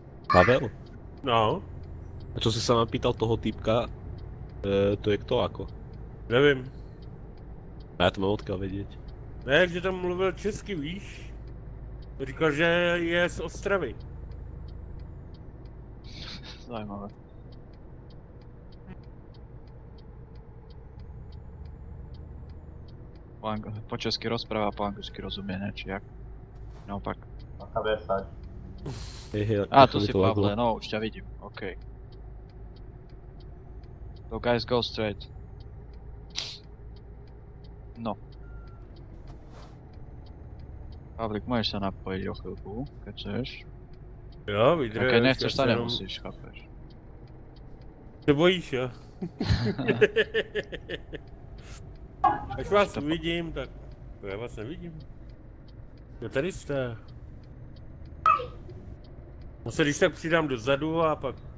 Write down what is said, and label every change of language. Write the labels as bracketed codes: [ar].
[sk] Pavel? No? A čo si sa ma pýtal toho týpka? To je kto, ako? Neviem. A ja to mám odkiaľ vedieť. [cs] Ne, že tam mluvil česky, víš? Říkal, že je z Ostravy. Zajímavé. [sk] Po česky rozpráva, po anglicky rozumie, ne? Či jak? Naopak. Aká vesať. A, tu si Pavle, no už ťa vidím, okej. Okay. [en] So guys, go straight. [sk] No. Pavlík, môžeš sa napojiť o chvíľku, keď chceš. [cs] Jo, vidíš. [sk] Keď nechceš, to nemusíš, chápeš. [cs] Se bojíš, jo? Až vás uvidím, tak... [sk] Ja vás nevidím. [cs] Jo, tady jste. No se když tak přidám dozadu a pak...